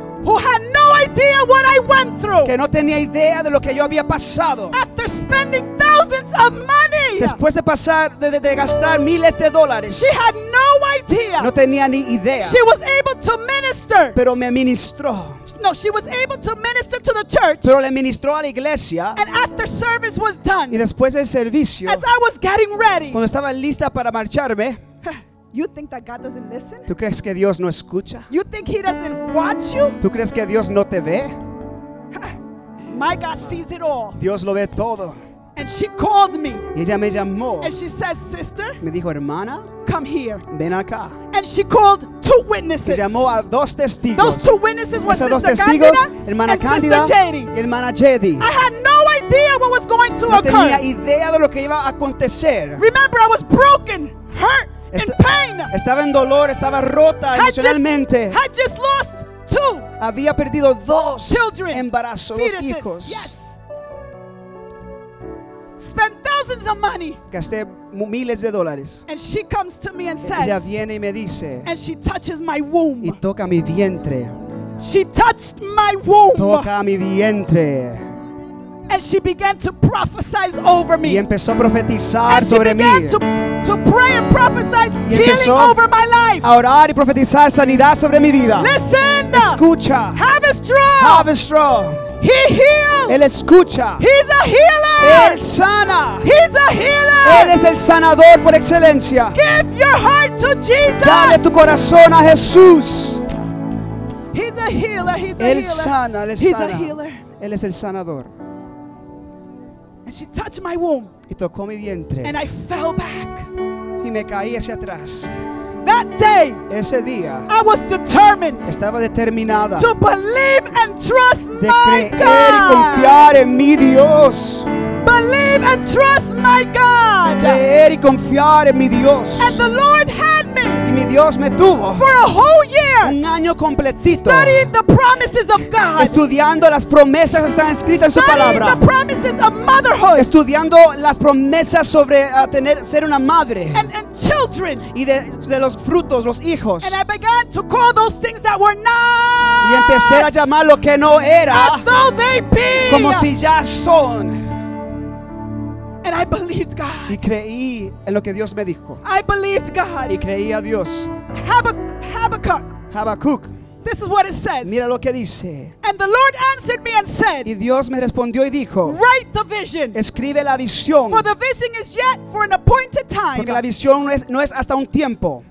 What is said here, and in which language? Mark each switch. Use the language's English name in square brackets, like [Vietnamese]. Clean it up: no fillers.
[English] who had no idea what I went through, [Spanish] que no tenía idea de lo que yo había pasado. [English] After spending thousands of money. [Spanish] Después de pasar de gastar miles de dólares. [English] She had no idea. [Spanish] No tenía ni idea. [English] She was able to minister. [Spanish] Pero me ministró. [English] No, she was able to minister to the church. [Spanish] Pero le ministró a la iglesia. [English] And after service was done. [Spanish] Y después del servicio. [English] As I was getting ready. [Spanish] Cuando estaba lista para marcharme. [English] You think that God doesn't listen? [Spanish] ¿Tú crees que Dios no escucha? [English] You think he doesn't watch you? [Spanish] ¿Tú crees que Dios no te ve? [English] My God sees it all. [Spanish] Dios lo ve todo. [English] And she called me. [Spanish] Y ella me llamó. [English] And she says, sister. [Spanish] Me dijo, hermana. [English] Come here. [Spanish] Ven acá. [English] And she called two witnesses. [Spanish] Y llamó a dos testigos. [English] Those two witnesses were [Spanish] esos [English] sister [Spanish] testigos, [English] Candida, [Spanish] hermana [English] and [Spanish] Candida [English] sister [Spanish] y hermana Jedi. [English] I had no idea what was going to occur. [Spanish] No tenía idea de lo que iba a acontecer. [English] Remember, I was broken, hurt. In pain. [Spanish] Estaba en dolor, estaba rota emocionalmente. [English] Had just lost two. [Spanish] Había perdido dos [English] children, [Spanish] embarazos, [English] fetuses, [Spanish] dos hijos. [English] Yes. Spent thousands of money. [Spanish] Gasté miles de dólares. [English] And she comes to me and says. [Spanish] Ella viene y me dice. [English] And she touches my womb. [Spanish] Y toca mi vientre. [English] She touched my womb. [Spanish] Toca mi vientre. [English] And she began to prophesy over me. [Spanish] Y empezó a profetizar [English] and [Spanish] sobre [English] she began [Spanish] mí. [English] To pray and prophesy healing over my life. [Spanish] A orar y profetizar sanidad sobre mi vida. [English] Listen. [Spanish] Escucha. [English] Have a strong. Have a strong. He heals. [Spanish] Él escucha. [English] He's a healer. [Spanish] Él sana. [English] He's a healer. [Spanish] Él es el sanador por excelencia. [English] Give your heart to Jesus. [Spanish] Dale tu corazón a Jesús. [English] He's a healer. He's a healer. [Spanish] Él sana. Él [English] He's [Spanish] sana. [English] A healer. [Spanish] Él es el sanador. [English] And she touched my womb. [Spanish] Y tocó mi vientre. [English] And I fell back. [Spanish] Y me caí hacia atrás. [English] That day, [Spanish] ese día, [English] I was determined. [Spanish] Estaba determinada. [English] To believe and trust my God. [Spanish] De creer y confiar en mi Dios. [English] Believe and trust my God. [Spanish] Creer y confiar en mi Dios. [English] And the Lord had me. [Spanish] Y mi Dios me tuvo. [English] For a whole year. [Spanish] Un año completito. [English] Studying the promises of God. [Spanish] Estudiando las promesas que están escritas en su palabra. [English] Studying the promises of motherhood. [Spanish] Estudiando las promesas sobre tener ser una madre. [English] And children. [Spanish] Y de los frutos, los hijos. [English] And I began to call those things that were not. [Spanish] Y empecé a llamar lo que no era. [English] As though they be. [Spanish] Como si ya son. [English] And I believed God. [Spanish] Y creí en lo que Dios me dijo. [English] I believed God. [Spanish] Y creí a Dios. [English] Habacuc. This is what it says. [Spanish] Mira lo que dice. [English] And the Lord answered me and said. [Spanish] Y Dios me respondió y dijo. [English] Write the vision. [Spanish] Escribe la visión. [English] For the vision is yet for an appointed time. [Spanish] Porque la visión no es hasta un tiempo.